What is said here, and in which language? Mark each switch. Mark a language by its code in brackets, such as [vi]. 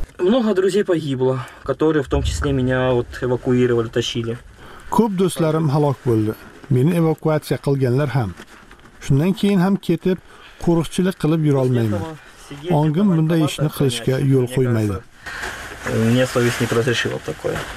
[ru] Много друзей погибло, которые в том числе меня вот эвакуировали, тащили. [uz] Ko'p do'stlarim halok bo'ldi. Meni evakuatsiya qilganlar ham. Shundan keyin ham ketib, qo'riqchilik qilib yura olmayman. Ongim bunday ishni qilishga yo'l qo'ymaydi. [ru] Мне совесть не разрешила такое.